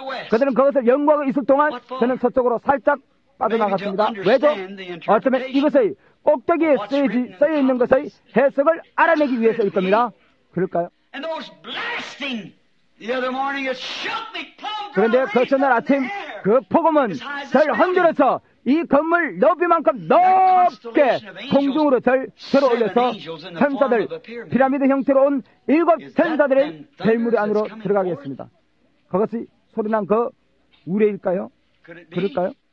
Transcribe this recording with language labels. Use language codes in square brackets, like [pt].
[ko] 그들은 그것을 연구하고 있을 동안 저는 서쪽으로 살짝 빠져나갔습니다. 왜죠? 어쩌면 이것의 꼭대기에 쓰여있는 것의 해석을 알아내기 위해서일 겁니다. 그럴까요? [en] And those blasting The other morning it shook me. [ko] 그런데 그 전날 아침 그 폭음은 절 흔들어서 이 건물 높이만큼 높게 공중으로 절 들어올려서 천사들 피라미드 형태로 온 일곱 천사들의 대무리 안으로 들어가게 했습니다. 그것이 소리난 그 우레일까요? 그럴까요?